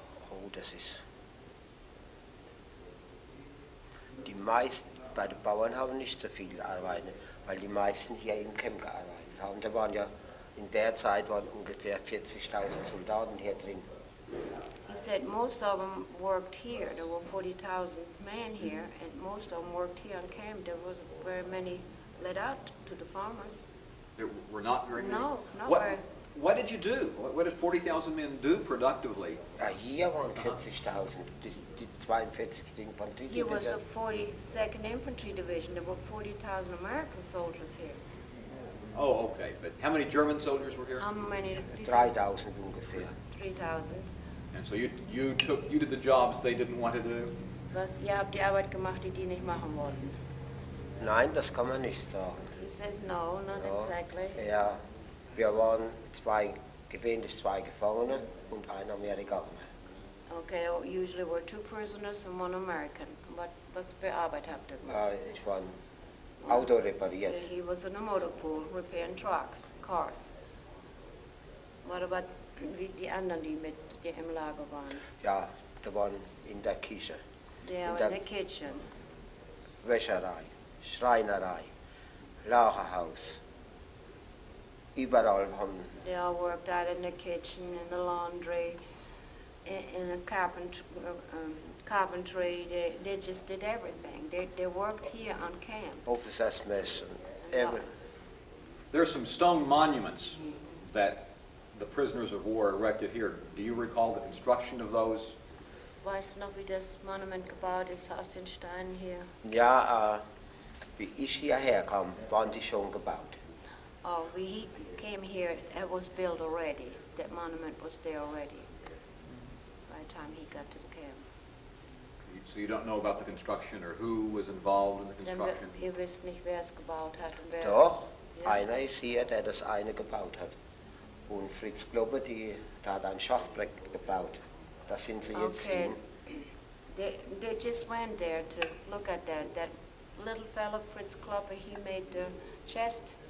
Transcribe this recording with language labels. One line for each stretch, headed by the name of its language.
German: Oh, das ist... die meisten bei den Bauern haben nicht so viel gearbeitet, weil die meisten hier im Camp gearbeitet haben. Da waren ja in der Zeit waren ungefähr 40.000 Soldaten hier drin.
English: He said most of them worked here. There were 40,000 men here, and most of them worked here in camp. There was very many let out to the farmers. There were not very many. No, not very. What did you do? What did 40,000 men do productively?
German: Here waren 40,000. Die 42. Infanterie
English: Division. Here was the 42nd Infantry Division. There were 40,000 American soldiers here. Oh, okay. But how many German soldiers were here? How many?
German: 3,000 ungefähr.
English: 3,000. And so you did the jobs they didn't want to do?
German: Was, ihr habt die Arbeit gemacht, die die nicht machen wollten. Nein, das kann man nicht sagen.
English: He says no, not exactly.
German: Ja. Wir waren gewöhnlich zwei Gefangene und ein Amerikaner.
English: Okay, usually were two prisoners and one American.
German: Was für Arbeit habt ihr gemacht? Ich war Auto repariert.
English: He was in a motor pool repairing trucks, cars. What about
German: die anderen, die mit dir im Lager waren? Ja, die waren in der Küche. In der Kitchen. Wäscherei, Schreinerei, Lagerhaus. Überall haben.
English: They all worked out in the kitchen, in the laundry, in the carpentry. They just did everything. They worked here on camp. Officers' mess and everything. There are some stone monuments that the prisoners of war erected here. Do you recall the construction of those?
German: Weiß noch, wie das Monument gebaut ist aus den Steinen hier? Ja, wie ich hierher kam, waren die schon gebaut.
English: Oh, when he came here, it was built already. That monument was there already by the time he got to the camp. So you don't know about the construction or who was involved in the construction?
German: Ihr wisst nicht, wer es gebaut hat. Doch, einer ist hier, der das eine gebaut hat. Und Fritz Glober, der hat ein Schachbrett gebaut. Das sind sie jetzt sehen.
English: They just went there to look at that. That little fellow, Fritz Glober, he made the chest.